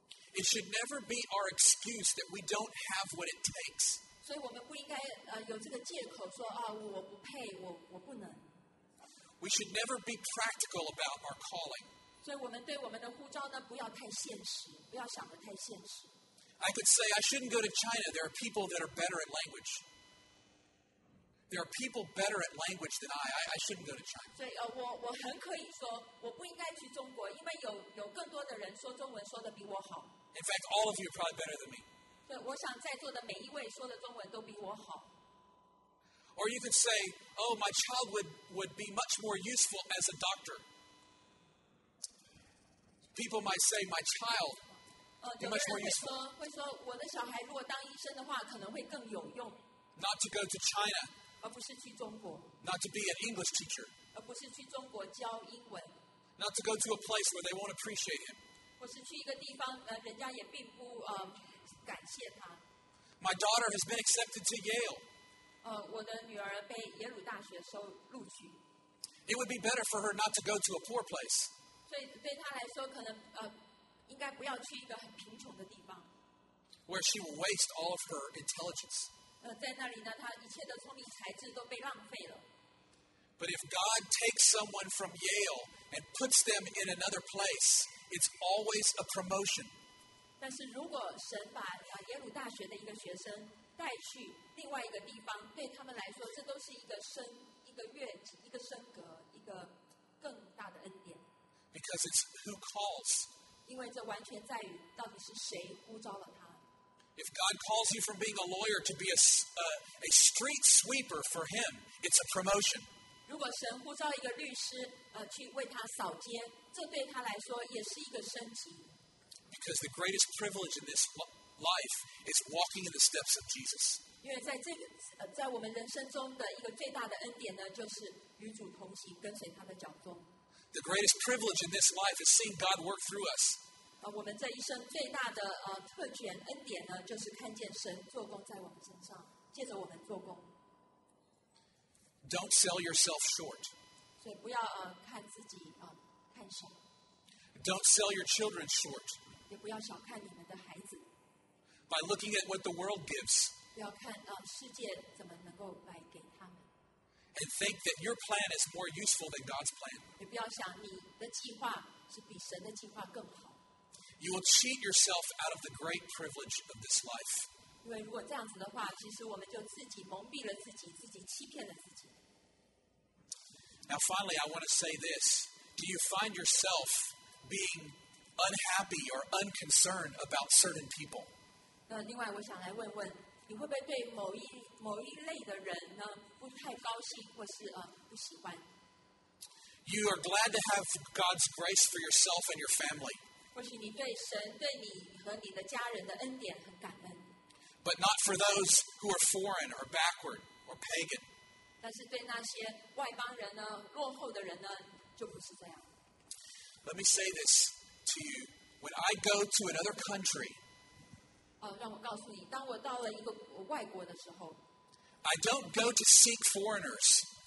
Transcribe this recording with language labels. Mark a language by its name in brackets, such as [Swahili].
[English] It should never be our excuse that we don't have what it takes. [Chinese] 所以我们不应该有这个借口说啊，我不配，我不能。 [English] We should never be practical about our calling. [Chinese] 所以我们对我们的呼召呢，不要太现实，不要想得太现实。 [English] I could say I shouldn't go to China. There are people that are better at language. there are people better at language than I shouldn't go to China. [Chinese] 所以我很可以说我不应该去中国，因为有更多的人说中文说得比我好。 [English] In fact, all of you are probably better than me. [Chinese] 对，我想在座的每一位说的中文都比我好。 [English] Or you could say, "Oh, my child would be much more useful as a doctor." People might say, "My child would be much more useful." [Chinese] 会说我的小孩如果当医生的话，可能会更有用。 [English] Not to go to China. [Chinese] 而不是去中国。 [English] Not to be an English teacher. [Chinese] 而不是去中国教英文。 [English] Not to go to a place where they won't appreciate him. [Chinese] 或是去一个地方，人家也并不感谢他。 [English] My daughter has been accepted to Yale. [Chinese] 我的女儿被耶鲁大学收录取。 [English] It would be better for her not to go to a poor place. [Chinese] 所以对她来说，可能应该不要去一个很贫穷的地方。 [English] Where she will waste all of her intelligence. [Chinese] 在那里呢，她一切的聪明才智都被浪费了。 [English] But if God takes someone from Yale and puts them in another place, it's always a promotion. [Chinese] 但是如果神把耶鲁大学的一个学生带去另外一个地方，对他们来说，这都是一个升格，一个更大的恩典。 [English] Because it's who calls. [Chinese] 因为这完全在于到底是谁呼召了他。 [English] If God calls you from being a lawyer to be a street sweeper for Him, it's a promotion. [Chinese] 如果神呼召一个律师，去为他扫街，这对他来说也是一个升级。 [English] Because the greatest privilege in this life is walking in the steps of Jesus. [Chinese] 因为在这个在我们人生中的一个最大的恩典呢，就是与主同行，跟随他的脚踪。 [English] The greatest privilege in this life is seeing God work through us. [Chinese] 我们这一生最大的特权恩典呢，就是看见神做工在我们身上，借着我们做工。 [English] Don't sell yourself short. [Chinese] 所以不要看自己看小。 [English] Don't sell your children short. [Chinese] 也不要小看你们的孩子。 [English] By looking at what the world gives. [Chinese] 要看世界怎么能够来给他们。 [English] And think that your plan is more useful than God's plan. [Chinese] 也不要想你的计划是比神的计划更好。 [English] You will cheat yourself out of the great privilege of this life. [Chinese] 因为如果这样子的话，其实我们就自己蒙蔽了自己，自己欺骗了自己。 [English] Now finally, I want to say this. Do you find yourself being unhappy or unconcerned about certain people? [Chinese] 另外我想来问问，你会不会对某一类的人呢，不太高兴或是不喜欢？ [English] You are glad to have God's grace for yourself and your family. [Chinese] 或许你对神，对你和你的家人的恩典很感恩。 [English] But not for those who are foreign or backward or pagan. [Chinese] 但是对那些外邦人呢，落后的人呢，就不是这样。 [English] Let me say this to you. When I go to another country, [Chinese] 让我告诉你，当我到了一个外国的时候， [English] I don't go to seek foreigners.